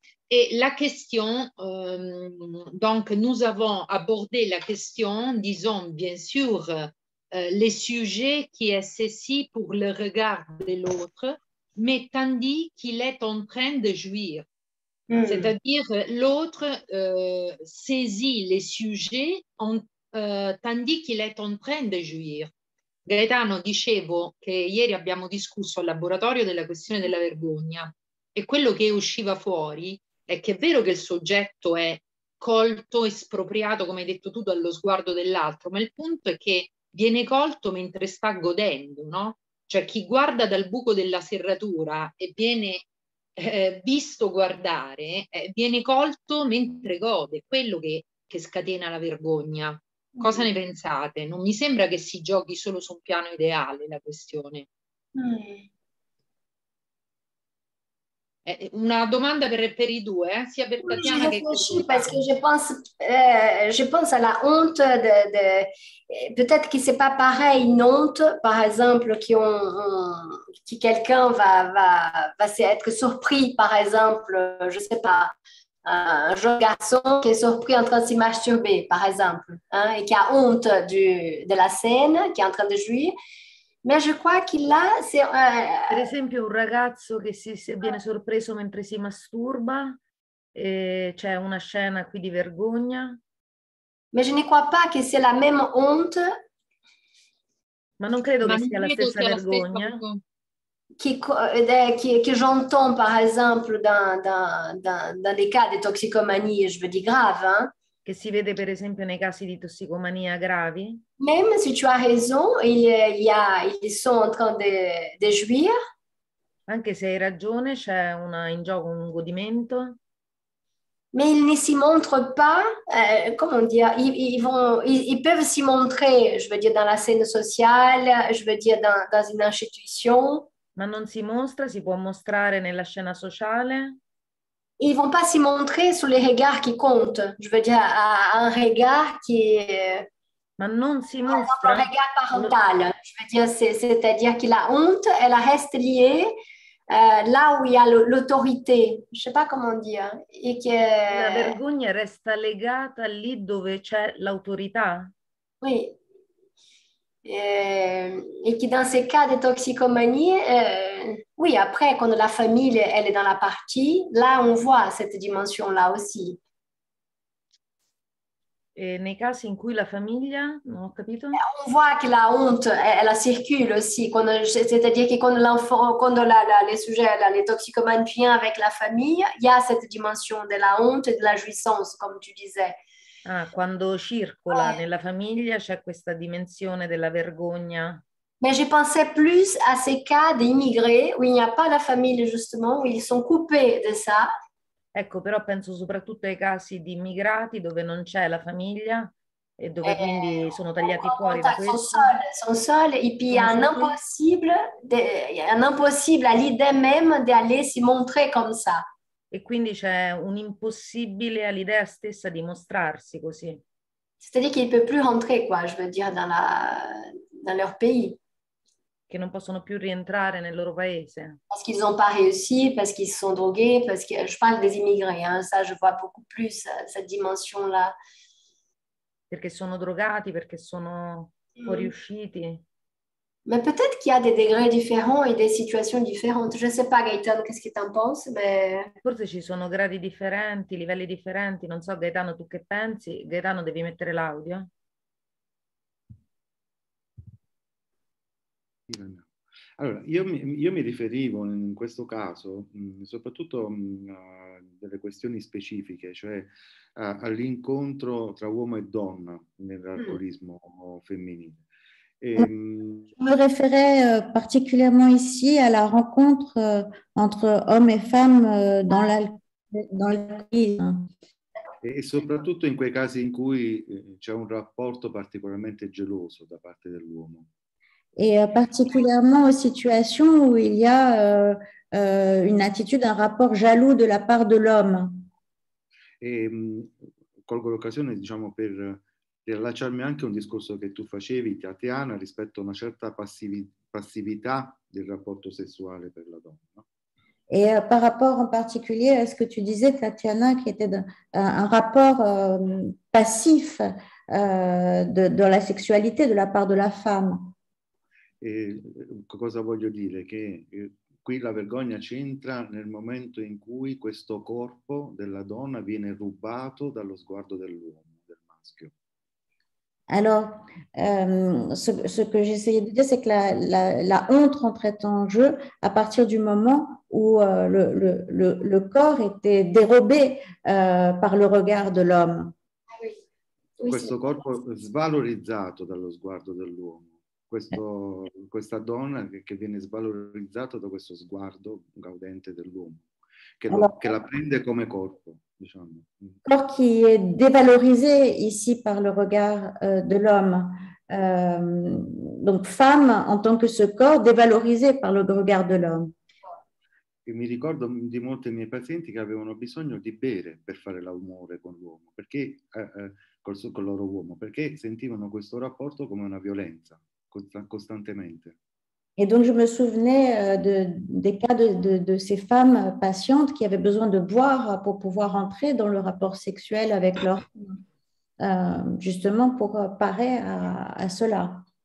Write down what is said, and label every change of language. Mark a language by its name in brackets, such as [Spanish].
[French] Et la question, donc nous avons abordé la question, disons bien sûr, les sujets qui est ceci pour le regard de l'autre, mais tandis qu'il est en train de jouir. C'est-à-dire l'autre saisit les sujets tandis qu'il est en train de jouir. [Italian] Gaetano, dicevo che ieri abbiamo discusso al laboratorio della questione della vergogna e quello che usciva fuori è che è vero che il soggetto è colto, espropriato, come hai detto tu, dallo sguardo dell'altro, ma il punto è che viene colto mentre sta godendo, no? Cioè chi guarda dal buco della serratura e viene visto guardare, viene colto mentre gode, quello che scatena la vergogna. Cosa ne pensate? Non mi sembra che si giochi solo su un piano ideale la questione. Una domanda per i due, sia per Tatiana che per [French] Sophie, parce que je pense à la honte de peut-être que c'est pas pareil une honte par exemple qui ont qui quelqu'un va être surpris par exemple, je sais pas. Un jeune garçon qui est surpris en train de se masturber, par exemple, hein, et qui a honte de la scène, qui est en train de jouir. Mais je crois qu'il a... C'est, [Italian] Per esempio, un ragazzo che viene sorpreso mentre si masturba, e c'è una scena qui di vergogna. [French] Mais je ne crois pas que c'est la même honte. [Italian] Ma non credo che sia la stessa vergogna. [French] Che j'entends par exemple dans les cas de toxicomanie, je veux dire grave, hein? [Italian] Che si vede per esempio nei casi di tossicomania gravi. [French] Même si tu as raison, ils sont en train de jouir. [Italian] Anche se hai ragione, c'è una in gioco un godimento. [French] Mais ils ne s'y montrent pas, comment dire, ils peuvent s'y montrer, je veux dire, dans la scène sociale, je veux dire, dans une institution. [Italian] Ma non si mostra, si può mostrare nella scena sociale. [French] Ils vont pas s'y montrer sous les regards qui comptent. Je veux dire, à un regard qui. [Italian] Ma non si mostra. [French] Un regard parental. Je veux dire, c'est-à-dire que la honte, elle reste liée là où il y a l'autorité. Je sais pas comment dire. Et que... [Italian] La vergogna resta legata lì dove c'è l'autorità. [French] Oui. Et que dans ces cas de toxicomanie, oui, après, quand la famille elle est dans la partie, là on voit cette dimension-là aussi. [Italian] Et nei casi in cui la famiglia, non ho capito? [French] On voit que la honte elle circule aussi, c'est-à-dire que quand l'enfant, quand les sujets, les toxicomanes viennent avec la famille, il y a cette dimension de la honte et de la jouissance, comme tu disais. [Italian] Ah, quando circola nella famiglia c'è questa dimensione della vergogna. [French] Ma je pensais plus à ces cas d'immigrés où il n'y a pas la famille justement, où ils sont coupés de ça. [Italian] Ecco, però penso soprattutto ai casi di immigrati dove non c'è la famiglia e dove quindi sono tagliati fuori da questo. Sono soli e poi è un impossibile [French] all'idée même d'aller s'y montrer comme ça. [Italian] E quindi c'è un impossibile all'idea stessa di mostrarsi così. [French] C'est-à-dire qu'il peut plus rentrer, quoi, je veux dire, dans leur pays. [Italian] Che non possono più rientrare nel loro paese. [French] Parce qu'ils ont pas réussi, parce qu'ils sont drogués, parce que je parle des immigrés, hein, ça je vois beaucoup plus cette dimension-là. [Italian] Perché sono drogati, perché sono fuoriusciti. [French] Ma peut-être qu'il y a des degrés différents et des situations différentes. Je ne sais pas, Gaetano, qu'est-ce que tu en penses, mais... [Italian] Forse ci sono gradi differenti, livelli differenti. Non so, Gaetano, tu che pensi? Gaetano, devi mettere l'audio. Allora, io mi riferivo in questo caso soprattutto a delle questioni specifiche, cioè all'incontro tra uomo e donna nell'alcolismo femminile. [French] Je me référais particulièrement ici à la rencontre entre hommes et femmes dans l'alcolisme. [Italian] Et soprattutto in quei casi in cui c'è un rapporto particolarmente geloso da parte dell'uomo. [French] Et particulièrement aux situations où il y a une attitude, un rapport jaloux de la part de l'homme. [Italian] Et colgo l'occasione, diciamo, per riallacciarmi anche a un discorso che tu facevi, Tatiana, rispetto a una certa passività del rapporto sessuale per la donna. [French] E par rapport en particulier à ce que tu disais, Tatiana, che était un rapport passif della sexualité de la part de la femme. [Italian] E cosa voglio dire? Che qui la vergogna c'entra nel momento in cui questo corpo della donna viene rubato dallo sguardo dell'uomo, del maschio. [French] Alors, ce que j'essayais de dire, c'est que la honte rentrait en jeu à partir du moment où le corps était dérobé par le regard de l'homme. Oui. [Italian] Questo corpo svalorizzato dallo sguardo dell'uomo. Questa donna che viene svalorizzata da questo sguardo gaudente dell'uomo, che la prende come corpo, diciamo. Corpo che è devalorizzato [French] ici par le regard de l'homme. Donc femme en tant que ce corps dévalorisé par le regard de l'homme. [Italian] E mi ricordo di molti miei pazienti che avevano bisogno di bere per fare l'amore con l'uomo, perché col loro uomo, perché sentivano questo rapporto come una violenza. Costantemente. [French] Et donc je me souvenais des cas de ces femmes patientes qui avaient besoin de boire pour pouvoir entrer dans le rapport sexuel avec leur justement pour parer à cela.